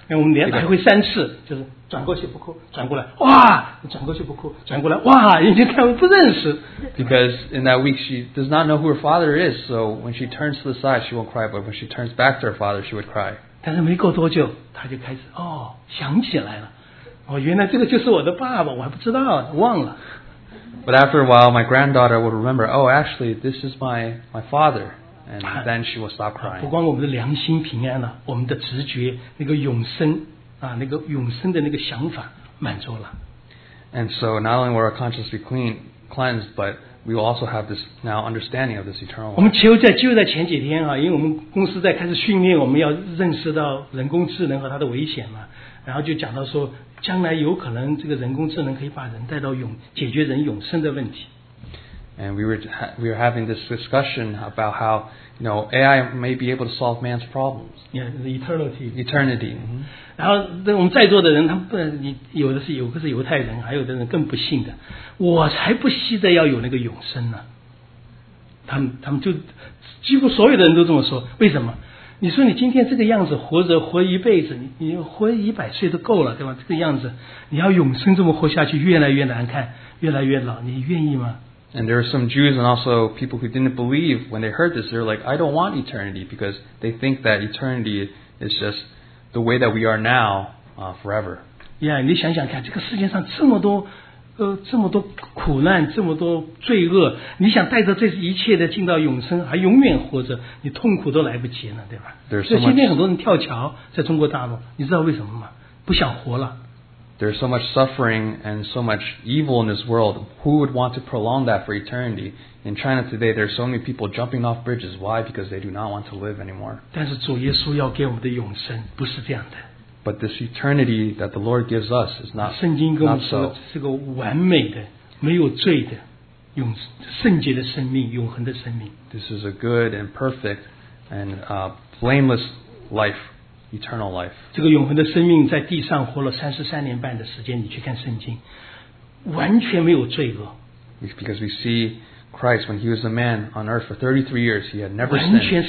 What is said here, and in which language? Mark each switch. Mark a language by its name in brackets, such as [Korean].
[Chinese] 我们连来回三次，就是转过去不哭，转过来哇，转过去不哭，转过来哇，眼睛看不认识。 [English] Because in that week she does not know who her father is, so when she turns to the side, she won't cry, but when she turns back to her father, she would cry. [Chinese] 但是没过多久他就开始哦想起来了哦原来这个就是我的爸爸我还不知道忘了 [English] But after a while my granddaughter would remember oh actually this is my father and then she will stop crying [Chinese] 不光我们的良心平安了我们的直觉那个永生啊，那个永生的那个想法满足了 [English] And so not only will our conscience be cleansed but we will also have this now understanding of this eternal life. [Chinese] 我们就在前几天啊，因为我们公司在开始训练，我们要认识到人工智能和它的危险嘛，然后就讲到说，将来有可能这个人工智能可以把人带到解决人永生的问题。 [English] And we were having this discussion about how, you know, AI may be able to solve man's problems. Yeah, the eternity. Eternity.、 [Chinese] 然后我们在座的人，他不，你有的是有个是犹太人，还有的人更不信的。我才不惜的要有那个永生呢。他们就几乎所有的人都这么说。为什么？你说你今天这个样子活着活一辈子，你活一百岁都够了，对吧？这个样子，你要永生这么活下去，越来越难看，越来越老，你愿意吗？ [English] And there are some Jews and also people who didn't believe when they heard this. They're like, I don't want eternity because they think that eternity is just the way that we are now, forever. [Chinese] Yeah, 你想想看，这个世界上这么多，这么多苦难，这么多罪恶，你想带着这一切的进到永生，还永远活着，你痛苦都来不及了，对吧？所以今天很多人跳桥，在中国大陆，你知道为什么吗？不想活了。 [English] There's so much suffering and so much evil in this world. Who would want to prolong that for eternity? In China today, there's so many people jumping off bridges. Why? Because they do not want to live anymore. [Chinese] 但是主耶稣要给我们的永生不是这样的。 [English] But this eternity that the Lord gives us is not so. [Chinese] 圣经跟我们说是个完美的、没有罪的、永圣洁的生命、永恒的生命。 [English] This is a good and perfect and blameless life. Eternal life. [Chinese] 这个永恒的生命在地上活了三十三年半的时间，你去看圣经，完全没有罪恶。 [English] Because we see Christ, when he was a man on earth for 33 years, he had never sinned.